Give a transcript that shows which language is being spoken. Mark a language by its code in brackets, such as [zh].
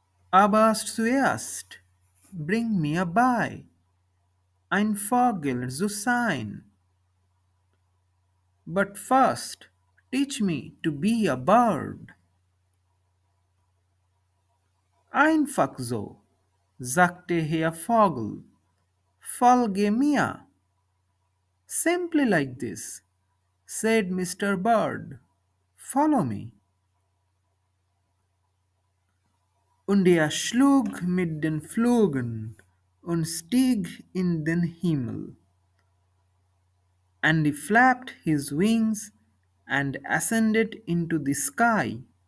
[de] Aber zuerst, bring mir bei, ein Vogel zu sein. [en] But first, teach me to be a bird. [de] Einfach so, sagte Herr Vogel, folge mir. [en] Simply like this, said Mr. Bird, follow me. [de] Und schlug mit den Flügeln und stieg in den Himmel. [en] And he flapped his wings and ascended into the sky.